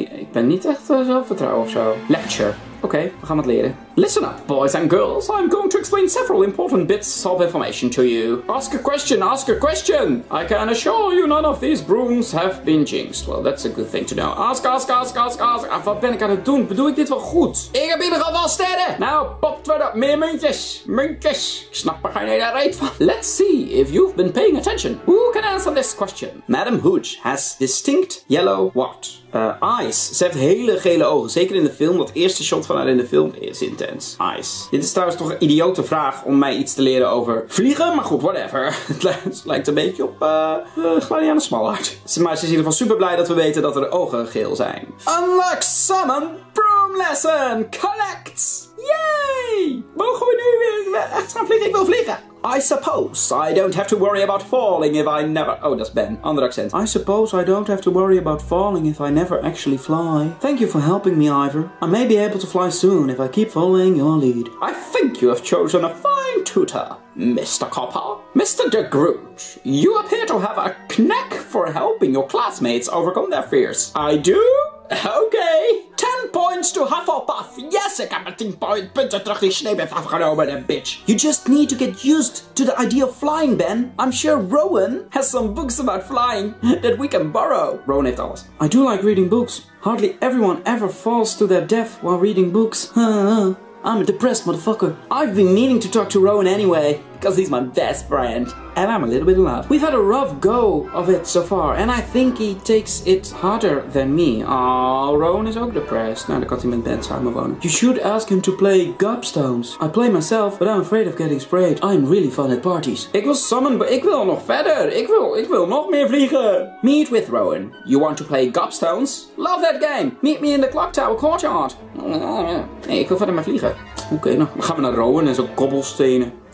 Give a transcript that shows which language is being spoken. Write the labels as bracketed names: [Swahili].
[Dutch] Ik ben niet echt zelfvertrouwen of zo. [English] Lecture. Okay, [Dutch] we gaan wat leren. [English] Listen up, boys and girls. I'm going to explain several important bits of information to you. Ask a question. I can assure you none of these brooms have been jinxed. Well, that's a good thing to know. Ask. [Dutch] Ah, wat ben ik aan het doen? Bedoel ik dit wel goed? Ik heb in ieder geval sterren. Nou, popt wat op. Meer muntjes. Muntjes. Ik snap er geen hele reet van. [English] Let's see if you've been paying attention. Who can answer this question? Madam Hooch has distinct yellow what? Eyes. [Dutch] Ze heeft hele gele ogen. Zeker in de film. Dat eerste shot van haar in de film is intens. [English] Eyes. [Dutch] Dit is trouwens toch een idiote vraag om mij iets te leren over vliegen. Maar goed, whatever. Het lijkt een beetje op Gladiana Smallheart. Maar ze is in ieder geval super blij dat we weten dat er ogen geel zijn. [English] Unlock Summon Broom Lesson. Collect. [Dutch] Yay. Mogen we nu weer echt gaan vliegen? Ik wil vliegen. [English] I suppose I don't have to worry about falling if I never... [Dutch] Oh, dat is Ben. Ander accent. [English] I suppose I don't have to worry about falling if I never actually fly. Thank you for helping me, Ivor. I may be able to fly soon if I keep following your lead. I think you have chosen a fine tutor, Mr. Copper. Mr. De Groot, you appear to have a knack for helping your classmates overcome their fears. I do? Okay. 10 points. points to Hufflepuff. [Dutch] Yes, ik heb 10 punten terug die sneeuw heeft afgenomen, de bitch. [English] You just need to get used to the idea of flying, Ben. I'm sure Rowan has some books about flying that we can borrow. [Dutch] Rowan heeft alles. [English] I do like reading books. Hardly everyone ever falls to their death while reading books. I'm a depressed motherfucker. I've been meaning to talk to Rowan anyway, because he's my best friend. And I'm a little bit in love. We've had a rough go of it so far, and I think he takes it harder than me. [Dutch] Aww, Rowan is ook depressed. Nou, dan kan hij met Ben samen wonen. [English] You should ask him to play Gobstones. I play myself, but I'm afraid of getting sprayed. I'm really fun at parties. [Dutch] Ik wil summon, but ik wil nog verder. Ik wil nog meer vliegen. [English] Meet with Rowan. You want to play Gobstones? Love that game. Meet me in the clock tower courtyard. [Dutch] Nee, ik wil verder met vliegen. Oké, nou. Dan gaan we naar Rowan en zo kobbelstenen.